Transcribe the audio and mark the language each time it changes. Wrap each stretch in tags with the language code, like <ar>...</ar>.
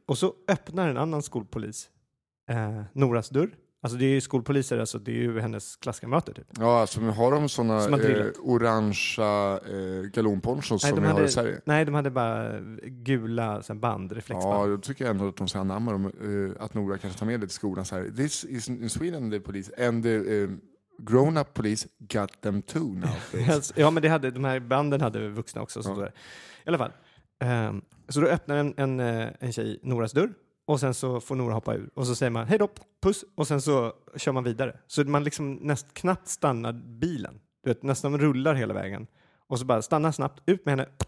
<sv>Och så öppnar en annan skolpolis Noras dörr. Alltså det är ju skolpoliser, alltså det är ju hennes klasskamrater typ. Ja, alltså har de såna orangea galonponchos som vi har i Sverige? Nej, de hade bara gula sen band, reflexband. Ja, då tycker jag ändå att de ska anamma dem, att Nora kanske tar med det till skolan så här.</sv> <en>This is in Sweden, the police, and the grown-up police got them too now.</en> <sv>Ja, men de här banden hade vuxna också. Så ja. Där. I alla fall. Så då öppnar en tjej Noras dörr. Och sen så får Nora hoppa ur. Och så säger man, hej då, puss. Och sen så kör man vidare. Så man liksom näst knappt stannar bilen. Du vet, nästan rullar hela vägen. Och så bara stannar snabbt ut med henne.</sv>